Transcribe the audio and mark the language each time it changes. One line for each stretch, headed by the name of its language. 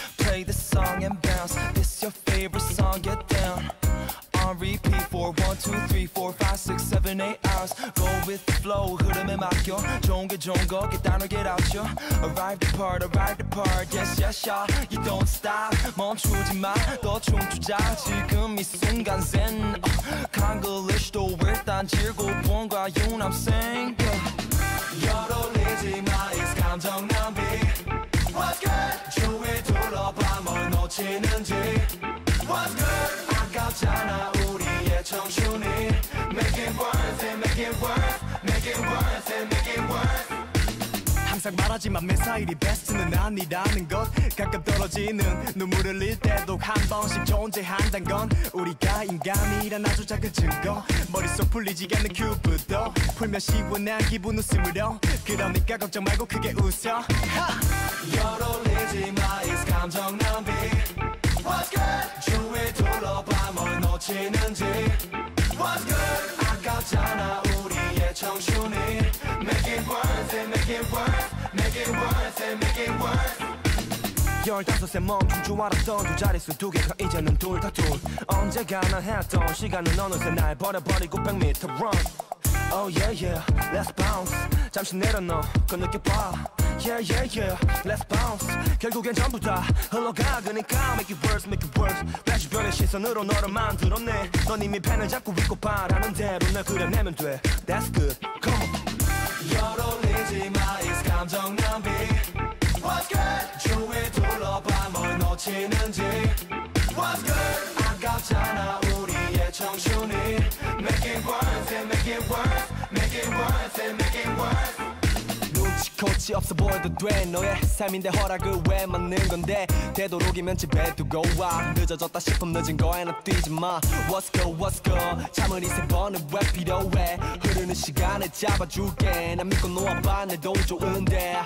English: play the song and bounce. This your favorite song, get down. On repeat for 1, 2, 3, 4, 5, 6, 7, 8 hours. Go with the flow,
Korean: 흐름에 맡겨. 좋은 게 좋은 거,
English: get down or get out, yo. Arrive the part, yes, yes, y'all. You don't stop,
Korean: 멈추지 마, 더 춤추자. 지금 이 순간 zen, Konglish도 일단 즐거운 과연,
English: I'm saying, yeah.
Korean: 열어 올리지 마,
English: it's
Korean: 감정 낭비.
English: What's good?
Korean: 주위 둘러봐, 뭘 놓치는지.
English: What's good?
Korean: 아깝잖아, 우리의 청춘이.
English: Make it worth it, make it worth. Make it worth it, make it worth.
Korean: 항상 말하지만 매사일이 베스트는 아니라는 것. 가끔 떨어지는 눈물을 흘릴 때도 한 번씩 존재한단 건 우리가 인간이란 아주 작은 증거. 머릿속 풀리지 않는 큐브도 풀면 시원한 기분 웃음으로. 그러니까 걱정 말고 크게 웃어. 열 올리지 마,
English: it's
Korean: 감정 낭비.
English: What's good?
Korean: 주위 둘러봐 뭘 놓치는지.
English: What's good?
Korean: 아깝잖아 우리의 청춘이.
English: Make it worth it, make it worth. Make it worth it, make it worth.
Korean: 15세 멈춘 줄 알았던 두 자릿수 두 개가 이제는 둘 다 둘. 언제 가나 했던 시간은 어느새 날 버려버리고
English: 100m run. Oh yeah yeah, let's bounce.
Korean: 잠시 내려놔, 그 느껴봐.
English: Yeah yeah yeah, let's bounce.
Korean: 결국엔 전부 다 흘러가.
English: 그니까 make it worse, make it worse.
Korean: 다시 별의 시선으로 너를 만들었네. 넌 이미 펜을 잡고 있고 바라는 대로 날 그려내면 돼.
English: That's good, come on.
Korean: 열 올리지 마,
English: it's
Korean: 감정 낭비.
English: What's good?
Korean: 주위 둘러봐 뭘 놓치는지.
English: What's good?
Korean: 아깝잖아 우리의 청춘이.
English: Make it worth it, make it worth. Make it worth it, make it worth.
Korean: 코치 없어 보여도 돼. 너의 삶인데 허락을 왜 맞는 건데. 되도록이면 집에 두고 와. 늦어졌다 싶으면 늦은 거에 나 뛰지 마.
English: What's good, what's good.
Korean: 잠을 이 세 번은 왜 필요해. 흐르는 시간을 잡아줄게. 난 믿고 놓아봐 내도 좋은데.